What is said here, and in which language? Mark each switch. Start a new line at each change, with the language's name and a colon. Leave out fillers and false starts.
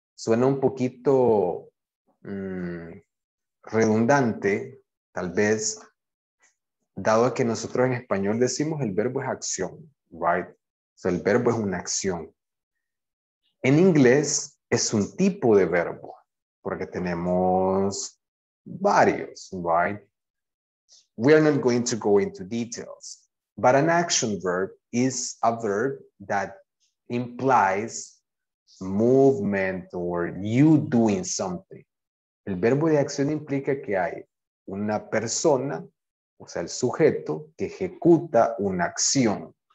Spanish: Suena un poquito redundante, tal vez, dado que nosotros en español decimos el verbo es acción, right? So el verbo es una acción. En inglés es un tipo de verbo, porque tenemos varios, right?
English: We are not going to go into details, but an action verb is a verb that implies movement or you doing something.
Spanish: El verbo de acción implica que hay una persona, o sea, el sujeto, que ejecuta una acción.